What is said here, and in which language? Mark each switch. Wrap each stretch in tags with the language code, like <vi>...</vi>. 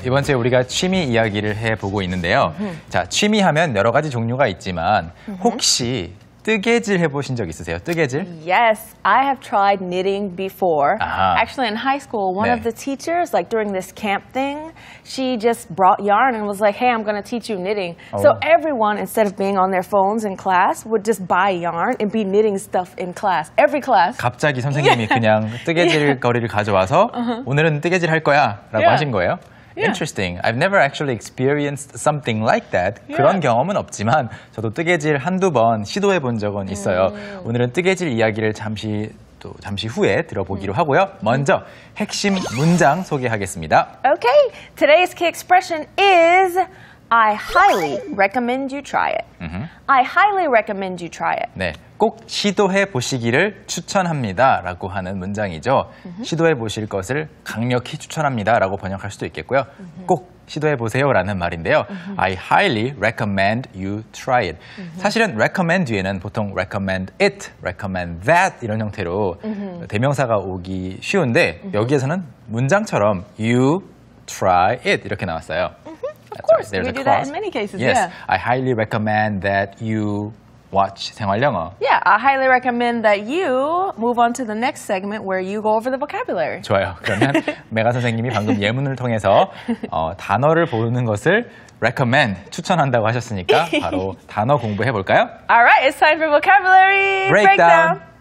<ko>이번 주에 우리가 취미 이야기를 해보고 있는데요. 자, 취미하면 여러 가지 종류가 있지만 혹시 뜨개질 해보신 적 있으세요? 뜨개질?</ko> <en>Yes, I have tried knitting before. Actually, in high school, one of the teachers, like during this camp thing, she just brought yarn and was like, hey, I'm going to teach you knitting. Oh. So everyone, instead of being on their phones in class, would just buy yarn and be knitting stuff in class. Every class.</en> <ko>갑자기 선생님이 그냥 뜨개질 거리를 가져와서 오늘은 뜨개질 할 거야 라고 하신 거예요?</ko> <en>Yeah. Interesting. I've never actually experienced something like that. Yeah.</en> <ko>그런 경험은 없지만 저도 뜨개질 한두 번 시도해 본 적은 있어요. 오늘은 뜨개질 이야기를 잠시 후에 들어보기로 하고요. 먼저 핵심 문장 소개하겠습니다.</ko> <en>Okay. Today's key expression is I highly recommend you try it. I highly recommend you try it.</en> <ko>네. 꼭 시도해 보시기를 추천합니다 라고 하는 문장이죠. 시도해 보실 것을 강력히 추천합니다 라고 번역할 수도 있겠고요. 꼭 시도해 보세요 라는 말인데요.</ko> <en>I highly recommend you try it.</en> <ko>사실은 recommend 뒤에는 보통</ko> <en>recommend it, recommend that</en> <ko>이런 형태로 대명사가 오기 쉬운데 여기에서는 문장처럼</ko> <en>you try it</en> <ko>이렇게 나왔어요.</ko> <en>Of course, right. we do that in many cases. Yes, yeah. I highly recommend that you watch 생활영어. Yeah, I highly recommend that you move on to the next segment where you go over the vocabulary.</en> <ko>좋아요. 그러면 메가 선생님이 방금 예문을 통해서 단어를 보는 것을 recommend, 추천한다고 하셨으니까 바로 단어 공부해 볼까요?</ko> <en>All right, it's time for vocabulary breakdown.</en>